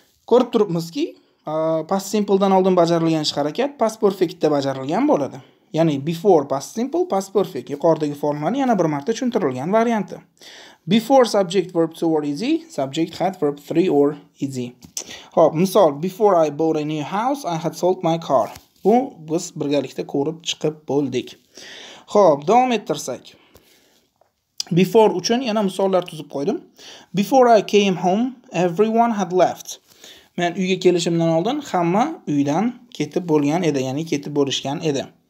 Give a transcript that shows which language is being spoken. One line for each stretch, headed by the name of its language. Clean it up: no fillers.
Uzbek: Ko'rib turibmizki, past simpledan oldin bajarilgan ish harakat past perfectda bajarilgan bo'ladi. Ya'ni
English: before past simple,
Uzbek: past perfect yuqoridagi formulani yana bir marta tushuntirilgan varianti.
English: Before subject verb 2 or is, subject had verb 3 or is.
Uzbek: Xo'p, misol
English: before I bought a new house, I had sold my car.
Uzbek: Bu biz birgalikda ko'rib chiqib bo'ldik. Xo'p, davom ettirsak. Before uchun yana misollar tuzib qo'ydim.
English: Before I came home, everyone had left.
Uzbek: Men uyga kelishimdan oldin hamma uydan ketib bo'lgan edi, ya'ni ketib bo'lishgan edi.